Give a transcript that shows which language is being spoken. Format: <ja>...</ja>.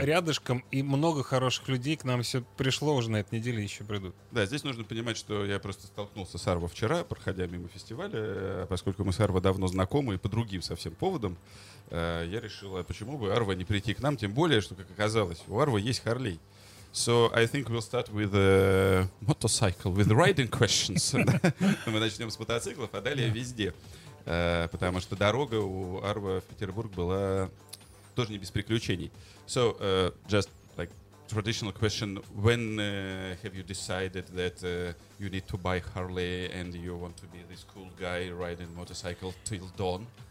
<ru>Рядышком, и много хороших людей к нам все пришло уже на этой неделе, еще придут. Да, здесь нужно понимать, что я просто столкнулся с Арво вчера, проходя мимо фестиваля. Поскольку мы с Арво давно знакомы и по другим совсем поводам, я решил, а почему бы Арво не прийти к нам, тем более, что, как оказалось, у Арво есть Харлей.</ru> <en>So I think we'll start with a motorcycle, with riding questions.</en> <ru>Мы начнем с мотоциклов, а далее везде. Потому что дорога у Арво в Петербург была тоже не без приключений.</ru> <en>So, just like traditional question, when have you decided that you need to buy Harley and you want to be this cool guy riding motorcycle till dawn?</en>